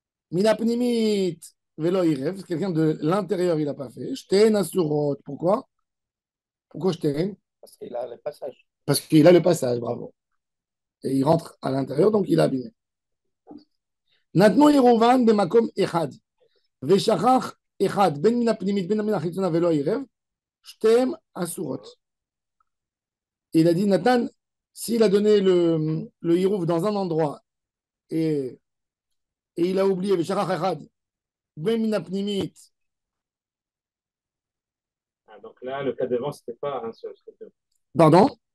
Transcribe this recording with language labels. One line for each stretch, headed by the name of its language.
Hebrew: Minapnimit velo irev,
French: c'est quelqu'un de l'intérieur, il n'a pas fait.
Hebrew: Shtein asurot,
French: pourquoi? Pourquoi shtein? parce qu'il a les passages. Parce qu'il a le passage, bravo. Et il rentre à l'intérieur, donc il a abîmé.
Hebrew: נתנו עירובן במקום אחד, ושכח אחד, בין מן הפנימית, בין מן החיצונה, ולא עירב, שתיהם אסורות.
French: Il a dit, Nathan, s'il a donné le Hirouf dans un endroit et il a oublié le Shachar Echad, Ben Minapnimit. Donc là, le cas devant, ce n'était pas un seul. Pardon?